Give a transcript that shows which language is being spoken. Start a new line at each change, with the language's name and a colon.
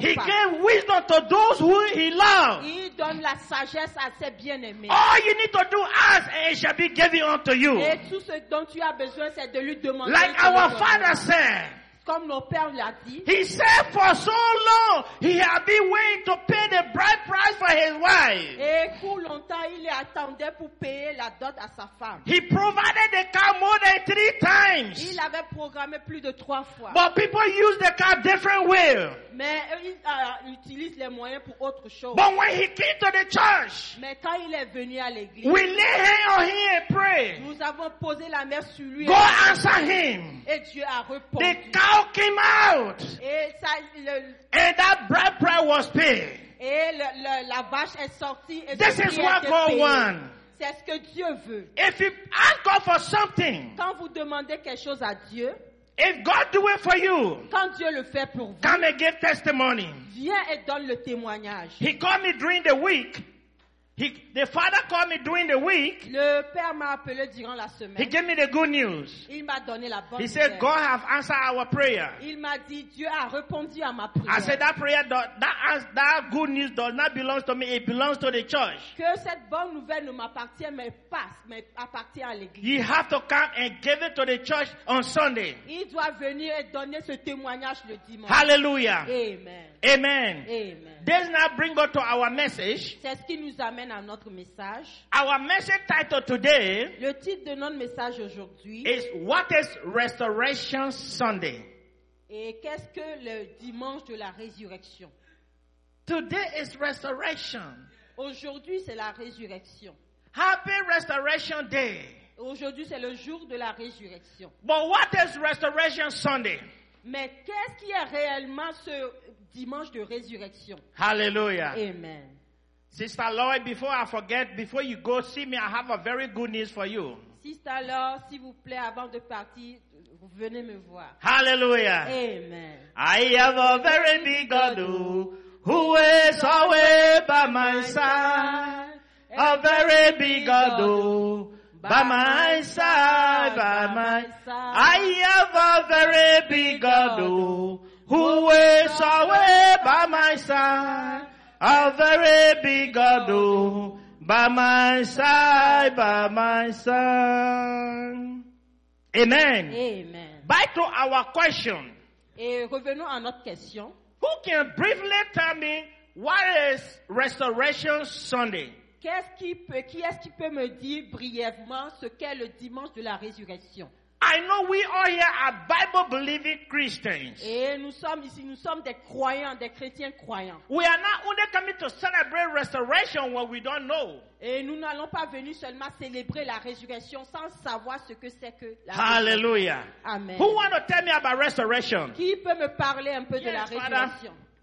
English: he
French: pas.
English: He gave wisdom to those who he loves.
French: Il donne la sagesse à ses bien-aimés.
English: All you need to do, ask, and it shall be given unto you.
French: Et tout ce dont tu as besoin, c'est de lui demander.
English: Like our Father said.
French: Comme nos pères l'a dit,
English: he said for so long he had been waiting to pay the bride price for his wife.
French: Et pour longtemps il attendait pour payer la dot à sa femme.
English: He provided the car more than 3 times.
French: Il avait programmé plus de 3 fois.
English: But people use the car different way.
French: Mais il utilise les moyens pour autre chose.
English: But when he came to the church,
French: mais quand il est venu à l'église,
English: we lay hands on him and pray.
French: Nous avons posé la main sur lui.
English: God answered him.
French: Et Dieu a répondu.
English: The cow came out.
French: Et ça,
English: and that bride price was paid.
French: Et la vache est sortie. Et
English: this is what God wants.
French: C'est ce que Dieu veut.
English: If you ask God for something,
French: quand vous demandez quelque chose à Dieu,
English: if God do it for you,
French: quand Dieu le fait pour vous,
English: come and give testimony.
French: Viens et donne le témoignage.
English: He called me during the week. The father called me during the week.
French: Le père m'a appelé durant la semaine.
English: He gave me the good news.
French: Il m'a donné la bonne
English: nouvelle. He said, God have answered our prayer.
French: Il m'a dit, Dieu a répondu à ma prière.
English: I said, that prayer, that good news does not belong to me. It belongs to the church.
French: Que cette bonne nouvelle ne m'appartient mais appartient à l'église.
English: You have to come and give it to the church on Sunday.
French: Il doit venir et donner ce témoignage le dimanche.
English: Hallelujah. Amen. Amen. Amen. This now bring us to our message.
French: C'est ce qui nous amène à notre message.
English: Our message title today.
French: Le titre de notre message aujourd'hui
English: is What is Resurrection Sunday?
French: Et qu'est-ce que le dimanche de la résurrection?
English: Today is resurrection.
French: Aujourd'hui c'est la résurrection.
English: Happy Resurrection Day.
French: Aujourd'hui c'est le jour de la résurrection.
English: But what is Resurrection Sunday?
French: Mais qu'est-ce qui est réellement ce dimanche de résurrection?
English: Hallelujah. Amen. Sister Lloyd, before I forget, before you go see me, I have a very good news for you.
French: Sister Lloyd, s'il vous plaît, avant de partir, venez me voir.
English: Hallelujah. Amen. I have a very big God who is always by my side. A very big God by my side. I have a very big God who is always by my side. A very big God by my side. Amen. Amen. Back to our question.
French: Et revenons à notre question.
English: Who can briefly tell me what is Resurrection Sunday?
French: Qui est-ce qui peut me dire brièvement ce qu'est le dimanche de la résurrection?
English: I know we all here are Bible-believing Christians.
French: Et nous sommes ici, nous sommes des croyants, des chrétiens croyants.
English: We are not only coming to celebrate resurrection when we don't know.
French: Et nous n'allons pas venir seulement célébrer la résurrection sans savoir ce que c'est que la
English: Hallelujah.
French: Résurrection. Amen.
English: Who want to tell me about resurrection?
French: Qui peut me parler un peu de la résurrection?